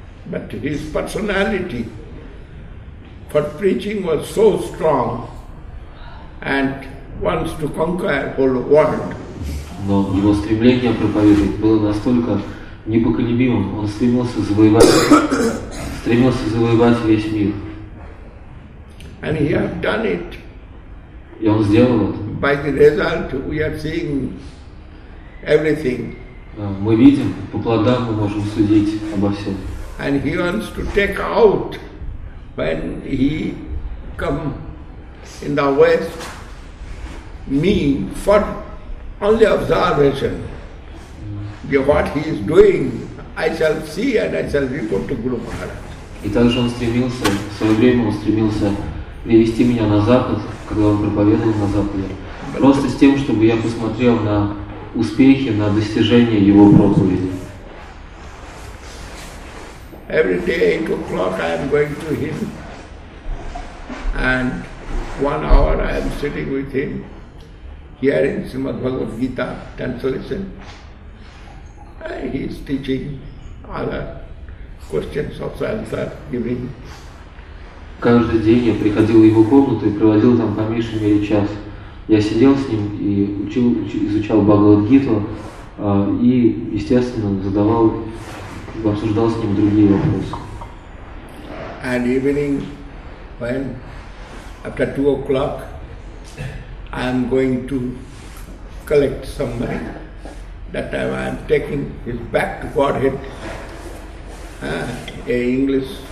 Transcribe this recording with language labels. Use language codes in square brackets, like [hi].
[en] But his personality for preaching was so strong and wants to conquer whole world. [ru] Но его стремление проповедовать было настолько непоколебимым. Он стремился завоевать весь мир. [en] And he has done it. [ru] И он сделал это. [en] By the result, we are seeing everything. [ru] Мы видим, по плодам мы можем судить обо всем. [en] And he wants to take out when he come in the West me for only observation. What he is doing, I shall see and I shall report to Guru Maharaj. [ru] И также он стремился, в свое время он стремился привести меня на Запад, когда он проповедовал на Западе, просто с тем, чтобы я посмотрел на успехи, на достижения его проповеди. [en] Every day at 2 o'clock I am going to him, and 1 hour I am sitting with him, hearing Srimad Bhagavad Gita translation. He is teaching other questions of answer giving. [ru] Каждый день я приходил в его комнату и проводил там по меньшей мере час. Я сидел с ним и изучал Бхагавад-гиту и, естественно, обсуждал с ним другие вопросы. [en] And evening, when after 2 o'clock, I am going to collect some money. That time I am taking his back to Godhead, a English